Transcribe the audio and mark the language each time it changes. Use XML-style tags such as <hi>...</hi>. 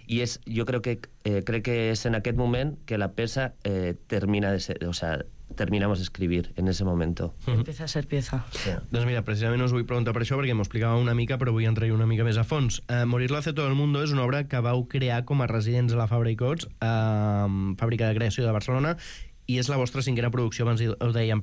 <ca>I és, jo crec que és en aquest moment que la peça termina de ser...</ca> <es>O sea, terminamos de escribir en ese momento. Empieza a ser pieza. Sí.</es> <ca>Doncs mira, precisament us vull preguntar per això, perquè m'ho explicava una mica, però vull entrar-hi una mica més a fons. Morir lo hace todo el mundo és una obra que vau crear com a residents a la Fabra i Cots, fàbrica de creació de Barcelona, i és la vostra cinquena producció, abans ho dèiem.</ca>